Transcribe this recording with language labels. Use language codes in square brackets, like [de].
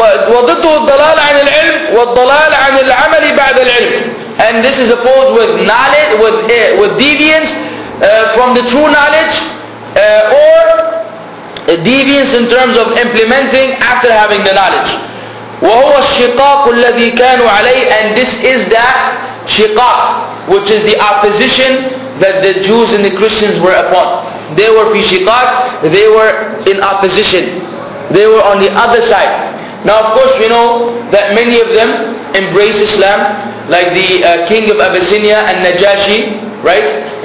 [ar] وضده الضلال عن العلم والضلال عن العمل بعد العلم. [en] And this is opposed with knowledge, with deviance from the true knowledge, or deviance in terms of implementing after having the knowledge. [ar] وهو الشقاق الذي كانوا عليه. [en] And this is that شقاق, which is the opposition that the Jews and the Christians were upon. They were [ar] في شقاق, [en] they were in opposition. They were on the other side. Now of course we know that many of them embrace Islam, like the king of Abyssinia and Najashi, right?